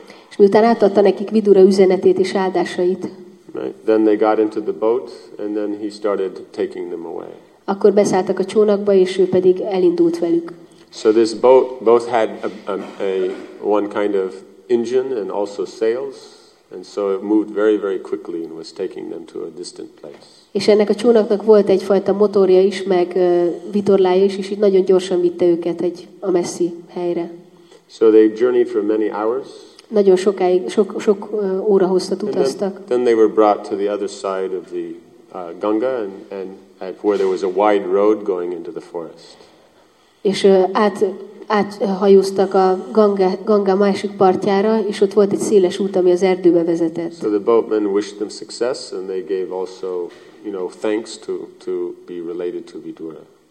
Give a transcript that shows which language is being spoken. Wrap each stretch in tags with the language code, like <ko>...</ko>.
<hu>És miután átadta nekik Vidura üzenetét és áldásait.</hu> <en>Right. Then they got into the boat and then he started taking them away.</en> <hu>Akkor beszálltak a csónakba és ő pedig elindult velük.</hu> <en>So this boat both had a one kind of engine and also sails. And so it moved very, very quickly and was taking them to a distant place.</en> <hu>És ennek a csónaknak volt egyfajta motorja is, meg vitorlája is, és így nagyon gyorsan vitte őket egy a messzi helyre.</hu> <en>So they journeyed for many hours.</en> <hu>Nagyon sokáig, sok óra hosszat utaztak.</hu> <en>Then they were brought to the other side of the Ganga, and where there was a wide road going into the forest.</en> <hu>És áthajóztak a Ganga másik partjára, és ott volt egy széles út, ami az erdőbe vezetett.</hu> <en>So the boatmen wished them success, and they gave also, you know, thanks to be related to Vidura.</en>